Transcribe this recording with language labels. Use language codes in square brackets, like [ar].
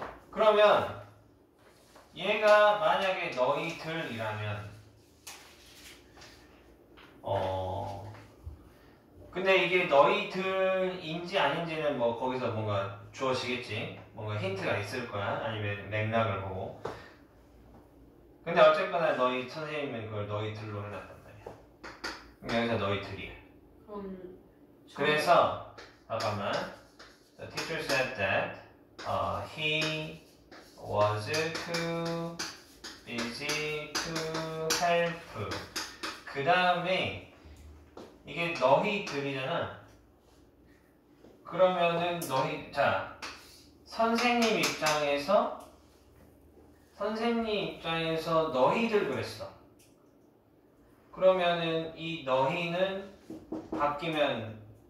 [ko] 그러면 얘가 만약에 너희들이라면, 근데 이게 너희들인지 아닌지는 뭐 거기서 뭔가 주어지겠지. 뭔가 힌트가 있을 거야. 아니면 맥락을 보고. 근데 어쨌거나 너희 선생님은 그걸 너희들로 해놨단 말이야. 여기서 너희들이야. 그래서 잠깐만. [en] The teacher said that he was too busy to help. [ko] 그 다음에 이게 너희들이잖아. 그러면은 너희 자 선생님 입장에서 너희들 그랬어. 그러면은 이 너희는 바뀌면